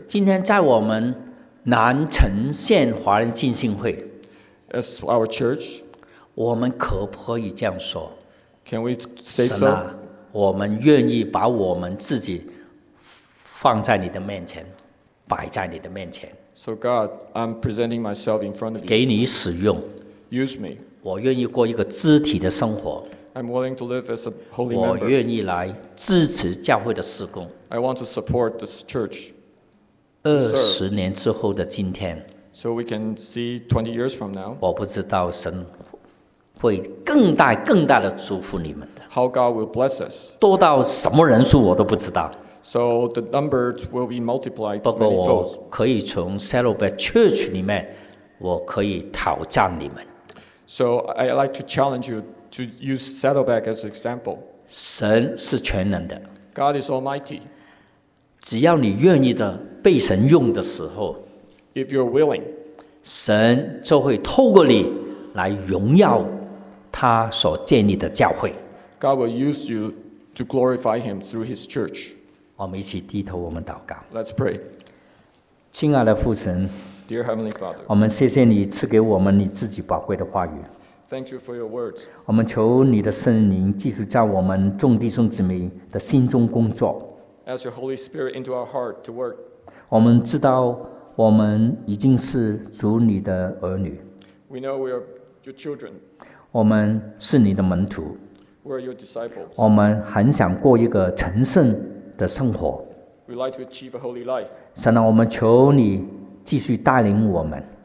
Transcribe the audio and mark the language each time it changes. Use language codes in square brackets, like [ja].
[zh] 今天在我们南城县华人浸信会 [en] ，As our church， [zh] 我们可不可以这样说 [en] ？Can we say so？ [zh] 我们愿意把我们自己放在你的面前，摆在你的面前。 [en] So God， I'm presenting myself in front of you， [zh] 给你使用 [en] ，Use me， [zh] 我愿意过一个肢体的生活。 [en] I'm willing to live as a holy member. [zh] 我愿意来支持教会的事工。 [en] I want to support this church. 20 years later [zh] 的今天。 [en] So we can see 20 years from now. [zh] 我不知道神会更大更大的祝福你们的。 [en] how God will bless us. [zh] 多到什么人数我都不知道。 [en] So the numbers will be multiplied many fold. [zh] 不过我可以从 Celebrate Church 里面，我可以挑战你们。 [en] So I like to challenge you to use Saddleback as an example. [zh] 神是全能的。 [en] God is Almighty. [zh] 只要你愿意的被神用的时候 [en] ，If you're willing, [zh] 神就会透过你来荣耀他所建立的教会。 [en] God will use you to glorify Him through His church. [zh] 我们一起低头，我们祷告。 [en] Let's pray. [zh] 亲爱的父神。 [en] Dear Heavenly Father, [zh] 我们谢谢你赐给我们你自己宝贵的话语。 [en] Thank you for your words. [zh] 我们求你的圣灵继续在我们众弟兄姊妹的心中工作。 [en] As your Holy Spirit into our heart to work. [zh] 我们知道我们已经是主你的儿女。 [en] We know we are your children. [zh] 我们是你的门徒。 [en] We are your disciples. [zh] 我们很想过一个成圣的生活。 [en] We like to achieve a holy life. [zh] 神啊，我们求你继续带领我们